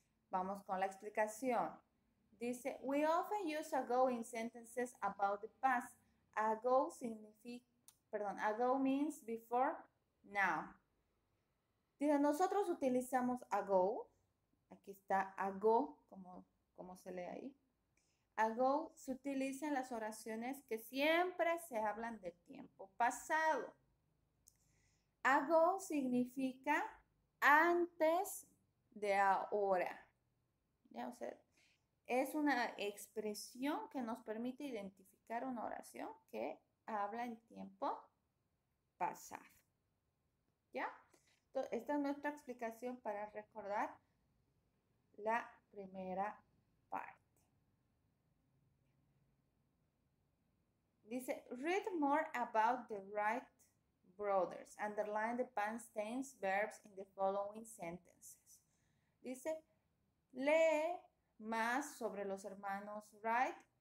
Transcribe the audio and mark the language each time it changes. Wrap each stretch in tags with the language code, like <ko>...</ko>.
<es>Vamos con la explicación.</es> <en>Dice, we often use ago in sentences about the past. Ago</en> <es>significa, perdón,</es> <en>ago means before.</en> <es>Now, dice, nosotros utilizamos ago, aquí está ago, como se lee ahí. Ago se utiliza en las oraciones que siempre se hablan de tiempo pasado. Ago significa antes de ahora. ¿Ya? O sea, es una expresión que nos permite identificar una oración que habla en tiempo pasado. ¿Ya? Entonces, esta es nuestra explicación para recordar la primera parte.</es> <en>Dice, read more about the Wright brothers. Underline the past tense verbs in the following sentences.</en> <es>Dice, lee más sobre los hermanos Wright.</es>